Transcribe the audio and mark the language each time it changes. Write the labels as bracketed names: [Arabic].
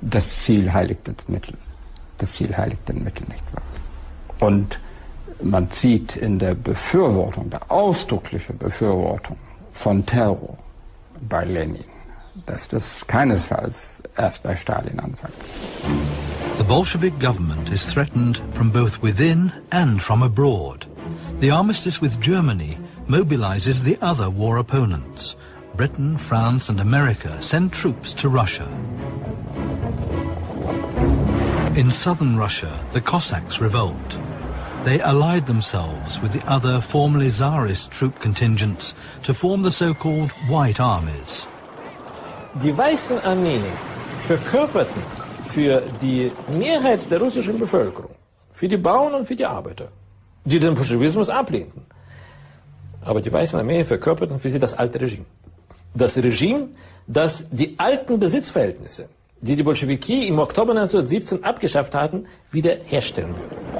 [German] Das Ziel heiligt das Mittel. Das Ziel heiligt den Mittel, nicht wahr? Und man sieht in der Befürwortung, der ausdrücklichen Befürwortung von Terror bei Lenin, dass das keinesfalls erst bei Stalin anfängt. [English] The Bolshevik government is threatened from both within and from abroad. The armistice with Germany mobilizes the other war opponents. Britain, France and America send troops to Russia. In southern Russia, the Cossacks revolt. They allied themselves with the other formerly Tsarist troop contingents to form the so-called White Armies. [German] Die Weißen Armeen verkörperten für die Mehrheit der russischen Bevölkerung, für die Bauern und für die Arbeiter, die den Bolschewismus ablehnten. Aber die Weißen Armeen verkörperten für sie das alte Regime. Das Regime, das die alten Besitzverhältnisse, die die Bolschewiki im Oktober 1917 abgeschafft hatten, wiederherstellen würde.